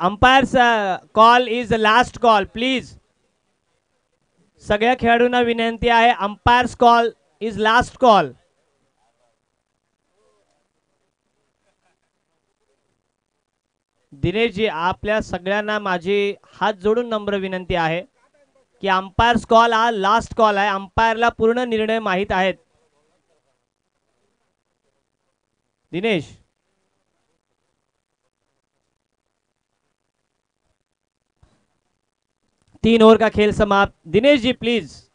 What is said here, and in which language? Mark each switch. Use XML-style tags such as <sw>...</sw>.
<en>Umpires call is the last call, please.</en> <mr>सगळ्या खेळाडूंना विनंती आहे,</mr> <en>Umpires call is last call.</en> <mr>Dinesh ji आपल्या सगळ्यांना माझी हात जोडून नम्र विनंती आहे की</mr> <en>umpires call</en> <mr>हा लास्ट कॉल आहे, अंपायरला पूर्ण निर्णय माहित आहेत।</mr> <hi>दिनेश तीन ओवर का खेल समाप्त। दिनेश जी प्लीज।</hi>